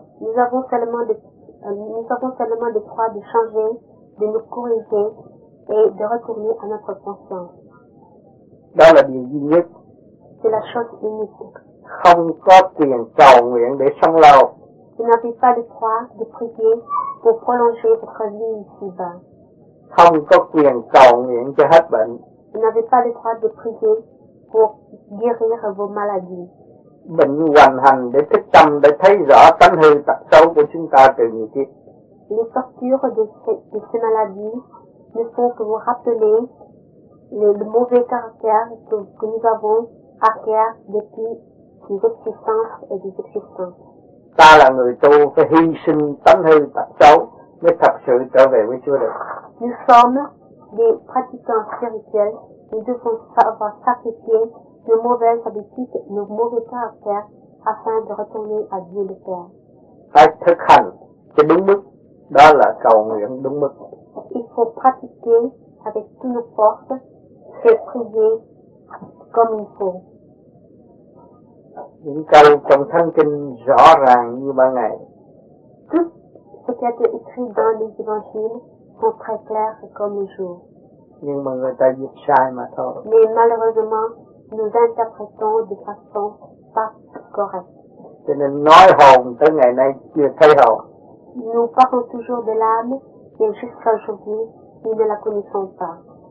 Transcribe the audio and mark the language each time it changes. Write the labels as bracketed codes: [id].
[fr] Nous avons seulement le droit de changer, de nous corriger, et de retourner à notre conscience. [vi] Đó là điều duy nhất. [fr] C'est la chose unique. [vi] Không có quyền cầu nguyện để sống lâu. [fr] Vous n'avez pas le droit de prier pour prolonger votre vie ici-bas. [vi] Không có quyền cầu nguyện cho hết bệnh. [fr] Vous n'avez pas le droit de prier pour guérir vos maladies. [vi] Bệnh hoành hành để thức tâm, để thấy rõ tánh hư tật xấu của chúng ta từ nhiều kiếp. [fr] Les tortures de ces maladies ne font que vous rappeler le mauvais caractère que nous avons acquis depuis des existences et des existences. [vi] Ta là người tu phải hy sinh tánh hư tật xấu mới thật sự trở về với Chúa được. [fr] Nous sommes des pratiquants spirituels. Nous devons savoir sacrifier nos mauvaises habitudes, nos mauvais caractères afin de retourner à Dieu le Père. [vi] Phải thực hành cho đúng mức. Đó là cầu nguyện đúng mức. [fr] Il faut pratiquer avec toutes nos forces et prier comme il faut. [vi] Những câu trong thánh kinh rõ ràng như ban ngày. [fr] Tout ce qui a été écrit dans les évangiles sont très clairs comme le jour. [vi] Nhưng mà người ta dịch sai mà thôi. [fr] Mais malheureusement, nous interprétons de façon pas correcte. [vi] Cho nên nói hồn tới ngày nay chưa thấy hồn. [fr] Nous parlons toujours de l'âme. Et jusqu'à aujourd'hui, nous ne la connaissons pas.